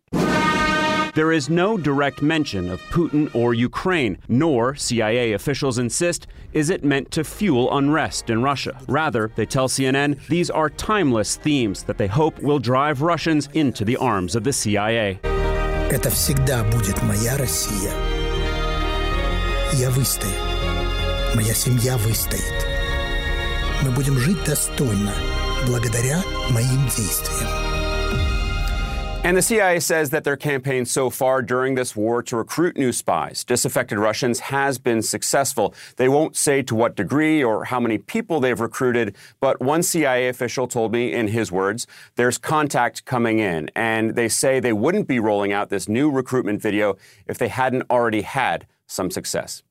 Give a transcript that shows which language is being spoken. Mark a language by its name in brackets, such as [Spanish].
[English] There is no direct mention of Putin or Ukraine, nor, CIA officials insist, is it meant to fuel unrest in Russia. Rather, they tell CNN, these are timeless themes that they hope will drive Russians into the arms of the CIA. [Russian] Это всегда будет моя Россия. Я выстою. Моя семья выстоит. Мы будем жить достойно благодаря моим действиям. [English] And the CIA says that their campaign so far during this war to recruit new spies, disaffected Russians, has been successful. They won't say to what degree or how many people they've recruited, but one CIA official told me, in his words, there's contact coming in, and they say they wouldn't be rolling out this new recruitment video if they hadn't already had some success.